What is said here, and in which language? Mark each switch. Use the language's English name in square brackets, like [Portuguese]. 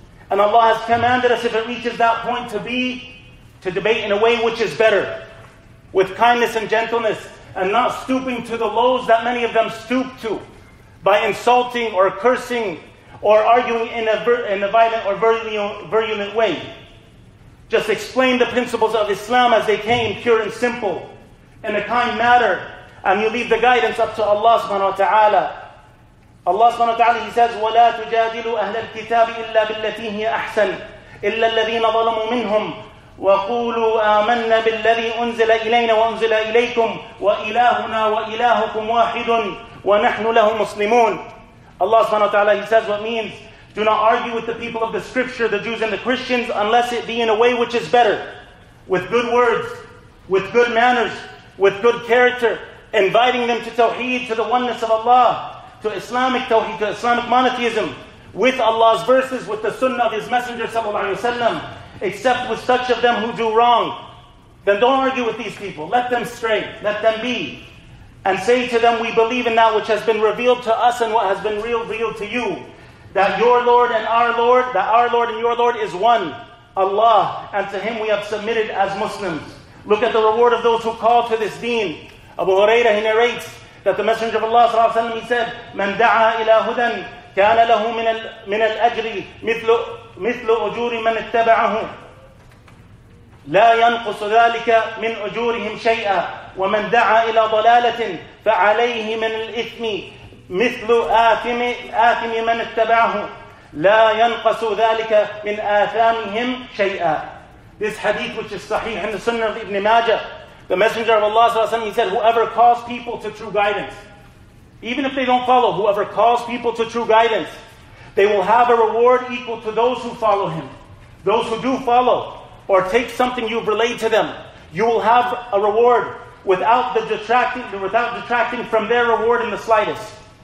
[English] And Allah has commanded us, if it reaches that point, to debate in a way which is better, with kindness and gentleness, and not stooping to the lows that many of them stoop to, by insulting or cursing or arguing in a violent or virulent way. Just explain the principles of Islam as they came, pure and simple, in a kind manner, and you leave the guidance up to Allah subhanahu wa ta'ala. [Arabic] Allah subhanahu wa ta'ala, [English] he says, [Arabic] وَلَا تُجَادِلُوا أَهْلَ الْكِتَابِ إِلَّا بِالَّتِي هِيَ أَحْسَنِ إِلَّا الَّذِينَ ظَلَمُوا مِنْهُمْ وَقُولُوا آمَنَّا بِالَّذِي أُنزِلَ إِلَيْنَا وَأُنزِلَ إِلَيْكُمْ وَإِلَهُنَا وَإِلَهُكُمْ وَاحِدٌ وَنَحْنُ لَهُ مُسْلِمُونَ. [English] Allah subhanahu wa ta'ala, he says, what means? Do not argue with the people of the scripture, the Jews and the Christians, unless it be in a way which is better. With good words, with good manners, with good character, inviting them to tawheed, to the oneness of Allah, to Islamic tawheed, to Islamic monotheism, with Allah's verses, with the sunnah of his messenger sallallahu alayhi wa sallam, except with such of them who do wrong. Then don't argue with these people. Let them stray. Let them be. And say to them, we believe in that which has been revealed to us and what has been revealed to you. That your Lord and our Lord, that our Lord and your Lord is one, Allah, and to him we have submitted as Muslims. Look at the reward of those who call to this deen. [Arabic] Abu Hurairah, [English] he narrates that the Messenger of Allah sallallahu alaihi wasallam, he said, [Arabic] من دعا إلى هدى كان له من الأجر مثل أجور من اتبعه لا ينقص ذلك من أجورهم شيئا ومن دعا إلى ضلالة فعليه من الإثم مثل آثم من اتبعه لا ينقص ذلك من آثامهم شيئا. [English] This hadith, which is sahih in the Sunnah of Ibn Majah, the Messenger of Allah sallallahu alaihi wasallam, he said, whoever calls people to true guidance, even if they don't follow, whoever calls people to true guidance, they will have a reward equal to those who follow him. Those who do follow or take something you've relayed to them, you will have a reward without detracting from their reward in the slightest.